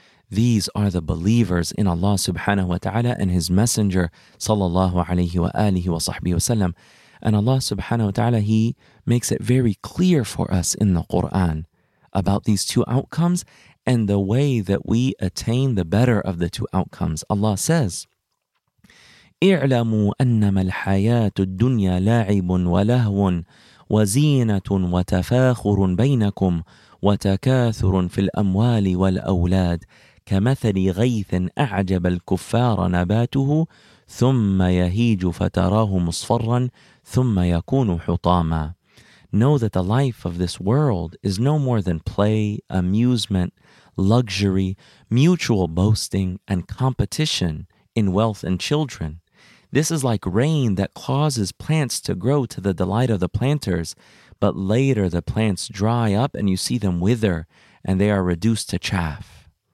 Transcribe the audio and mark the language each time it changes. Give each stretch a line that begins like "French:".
English: These are the believers in Allah subhanahu wa ta'ala and His Messenger sallallahu alayhi wa alihi wa sahbihi wa sallam. And Allah subhanahu wa ta'ala, He makes it very clear for us in the Qur'an about these two outcomes and the way that we attain the better of the two outcomes. Allah says,
Arabic: اِعْلَمُوا أَنَّمَا الْحَيَاةُ الدُّنْيَا لَاعِبٌ وَلَهْوٌ وَزِينَةٌ وَتَفَاخُرٌ بَيْنَكُمْ وَتَكَاثُرٌ فِي الْأَمْوَالِ وَالْأَوْلَادِ كمثل غيث أعجب الكفار نباته ثم يهيج فتراه مصفرا ثم يكون حطاما.
English: Know that the life of this world is no more than play, amusement, luxury, mutual boasting, and competition in wealth and children. This is like rain that causes plants to grow to the delight of the planters, but later the plants dry up and you see them wither and they are reduced to chaff.